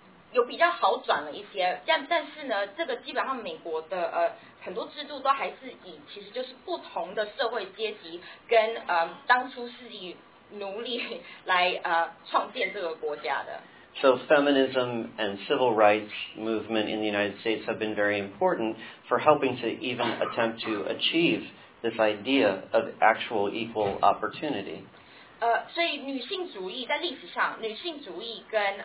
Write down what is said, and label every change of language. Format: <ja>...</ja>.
<zh>有比较好转了一些，但是呢，这个基本上美国的很多制度都还是以其实就是不同的社会阶级跟当初是以奴隶来创建这个国家的。</zh> <en>So feminism and civil rights movement in the United States have been very important for helping to even attempt to achieve this idea of actual equal opportunity.</en> <zh>所以女性主义在历史上，女性主义跟</zh>